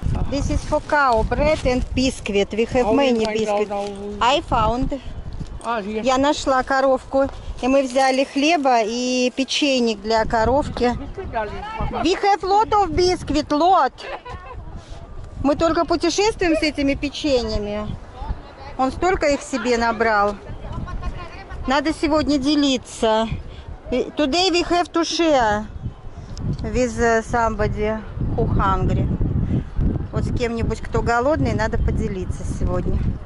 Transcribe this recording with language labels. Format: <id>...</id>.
<en>This is for cow bread and biscuit. We have many biscuits. I found.</en> <ru>Я нашла коровку. И мы взяли хлеба и печенье для коровки.</ru> <en>We have lot of biscuit, lot.</en> <ru>Мы только путешествуем с этими печеньями. Он столько их себе набрал. Надо сегодня делиться.</ru> <en>Today we have to share. With somebody who hungry.</en> <ru>Вот с кем-нибудь, кто голодный, надо поделиться сегодня.</ru>